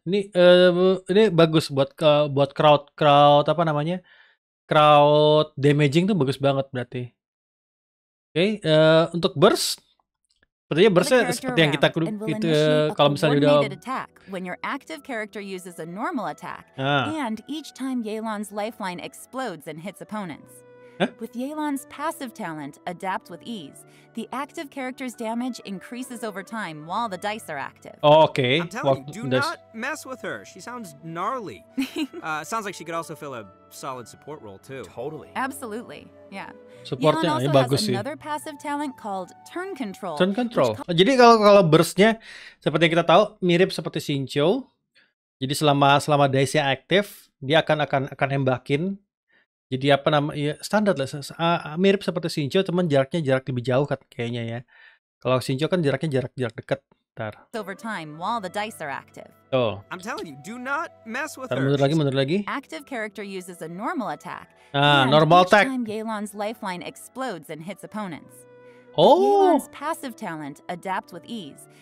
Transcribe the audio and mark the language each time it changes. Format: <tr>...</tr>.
<id>Ini bagus buat crowd apa namanya?</id> <en>Crowd damaging</en> <id>tuh bagus banget berarti. Oke, okay, untuk burst sepertinya burstnya seperti yang kita itu kalau misalnya udah</id> <en>when your active character uses a normal attack and each time Yelan's lifeline explodes and hits opponents. Huh? With Yelan's passive talent, Adapt with Ease, the active character's damage increases over time while the dice are active. Oh, okay. I'm telling you, do not mess with her. She sounds gnarly. sounds like she could also fill a solid support role, too. Totally. Absolutely, yeah.</en> <id>Supportnya</id> <en>Yelan</en> <id>also bagus</id> <en>has Another passive talent called Turn Control. Turn Control.</en> <id>Jadi kalau burst-nya, seperti yang kita tahu, mirip seperti Shincho. Jadi selama dice-nya aktif, dia akan nembakin. Jadi apa nama ya, standar lah, mirip seperti Shincho, cuman jarak lebih jauh kan kayaknya ya. Kalau Shincho kan jaraknya jarak dekat. Ntar.</id> <en>Over time, while the dice are active. Oh. I'm telling you, do not mess with her.</en> <id>Mundur lagi.</id> <en>Active character uses a normal attack. Normal attack. Each time Yelan's lifeline explodes and hits opponents. Oh. Yelan's passive talent adapt with ease.</en>